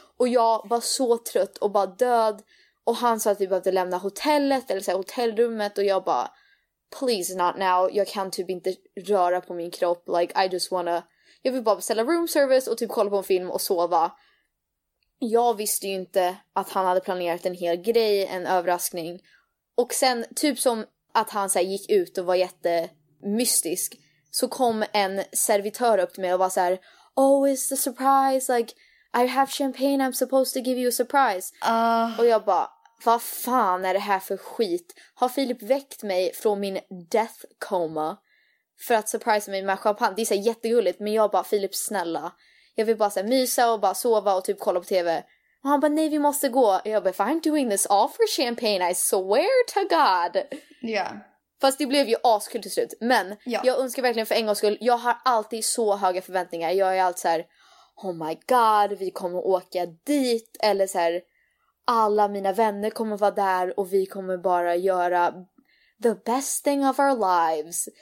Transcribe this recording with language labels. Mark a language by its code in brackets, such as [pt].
[sv] Och jag var så trött och bara död. Och han sa att vi behövde lämna hotellet eller så här, hotellrummet. Och jag bara, [en] please not now. [sv] Jag kan typ inte röra på min kropp. [en] Like, I just wanna... [sv] Jag vill bara beställa room service och typ kolla på en film och sova. Jag visste ju inte att han hade planerat en hel grej, en överraskning. Och sen typ som att han så här, gick ut och var jättemystisk. Så kom en servitör upp till mig och var så här, [en] oh, it's the surprise, like... I have champagne, I'm supposed to give you a surprise. [sv] Och jag bara, vad fan är det här för skit? Har Filip väckt mig från min death coma för att surprise mig med champagne? Det är så här jättegulligt, men jag bara, Filip snälla. Jag vill bara så här mysa och bara sova och typ kolla på tv. Och han bara, nej vi måste gå. Och jag bara, [en] if I'm doing this all for champagne, I swear to God. Ja. Yeah. [sv] Fast det blev ju askul till slut. Men jag önskar verkligen för en gångs skull, jag har alltid så höga förväntningar. Jag är alltid så här. [en] Oh my god, [sv] vi kommer åka dit. Eller så här, alla mina vänner kommer vara där. Och vi kommer bara göra [en] the best thing of our lives.